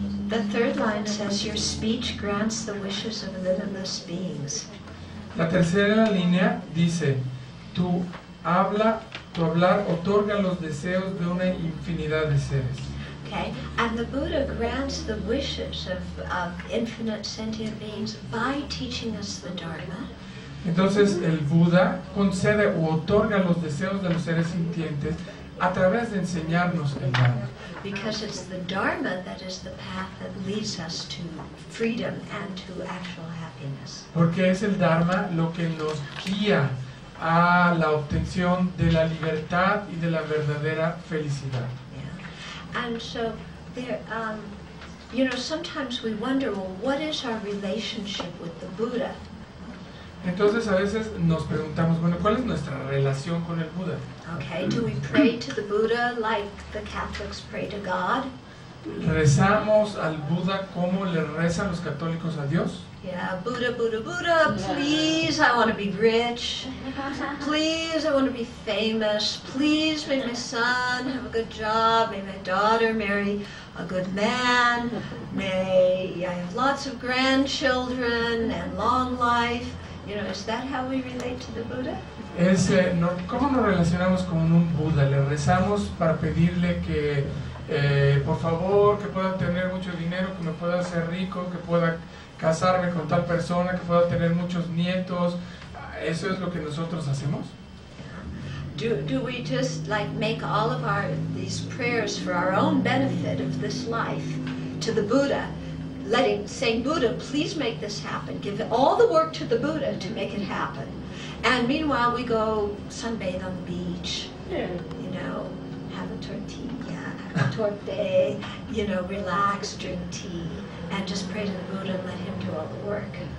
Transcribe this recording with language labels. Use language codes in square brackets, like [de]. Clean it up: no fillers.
[en] The third line says, your speech grants the wishes of limitless beings. [es] La tercera línea dice, tu hablar otorga los deseos de una infinidad de seres. [en] Okay, and the Buddha grants the wishes of infinite sentient beings by teaching us the Dharma. [es] Entonces el Buda concede o otorga los deseos de los seres sintientes a través de enseñarnos el Dharma. [en] Because it's the Dharma that is the path that leads us to freedom and to actual happiness. [es] Porque es el Dharma lo que nos guía a la obtención de la libertad y de la verdadera felicidad. [en] Yeah. And so, there, sometimes we wonder, well, what is our relationship with the Buddha? [es] Entonces a veces nos preguntamos, bueno, ¿cuál es nuestra relación con el Buda? [en] Okay, do we pray to the Buddha like the Catholics pray to God? [es] ¿Rezamos al Buda como le rezan los católicos a Dios? [en] Yeah, Buddha, Buddha, Buddha, please, I want to be rich. Please, I want to be famous. Please, may my son have a good job. May my daughter marry a good man. May I have lots of grandchildren and long life. Is that how we relate to the Buddha? [es] ¿Cómo nos relacionamos con un Buda? ¿Le rezamos para pedirle que, por favor, que pueda tener mucho dinero, que me pueda hacer rico, que pueda casarme con tal persona, que pueda tener muchos nietos? ¿Eso es lo que nosotros hacemos? [en] Do we just like make all of our these prayers for our own benefit of this life to the Buddha? Saying, Buddha, please make this happen. Give all the work to the Buddha to make it happen. And meanwhile, we go sunbathe on the beach, have a tortilla, have a torte, relax, drink tea, and just pray to the Buddha and let him do all the work.